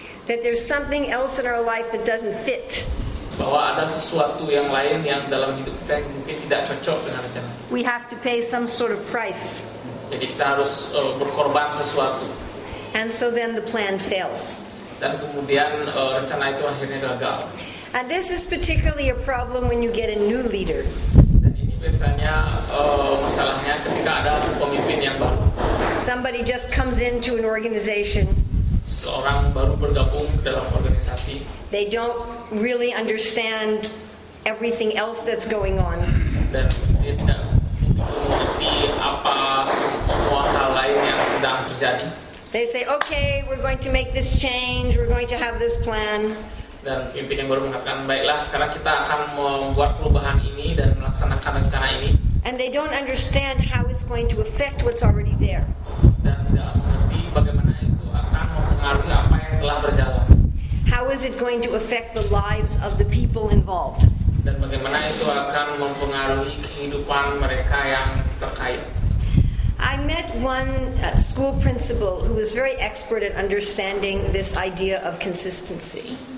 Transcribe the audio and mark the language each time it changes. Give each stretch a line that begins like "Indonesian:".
English: That there's something else in our life that doesn't fit.
Indonesian: Bahwa ada sesuatu yang lain yang dalam hidup kita yang mungkin tidak cocok dengan rencana.
English: We have to pay some sort of price.
Indonesian: Jadi kita harus berkorban sesuatu.
English: And so then the plan fails.
Indonesian: Dan kemudian rencana itu akhirnya gagal.
English: And this is particularly a problem when you get a new leader.
Indonesian: Dan ini biasanya masalahnya ketika ada pemimpin yang baru.
English: Somebody just comes into an organization.
Indonesian: Seorang baru bergabung dalam organisasi.
English: They don't really understand everything else that's going on.
Indonesian: Dan dia tidak mengerti apa semua hal lain yang sedang terjadi.
English: They say, okay, we're going to make this change, we're going to have this plan.
Indonesian: Dan pimpin yang baru mengatakan, baiklah, sekarang kita akan membuat perubahan ini dan melaksanakan rencana ini.
English: And they don't understand how it's going to affect what's already there.
Indonesian: Dan tidak mengerti bagaimana itu akan mempengaruhi apa yang telah berjalan.
English: How is it going to affect the lives of the people involved?
Indonesian: Dan bagaimana itu akan mempengaruhi kehidupan mereka yang terkait?
English: I met one school principal who was very expert at understanding this idea of consistency.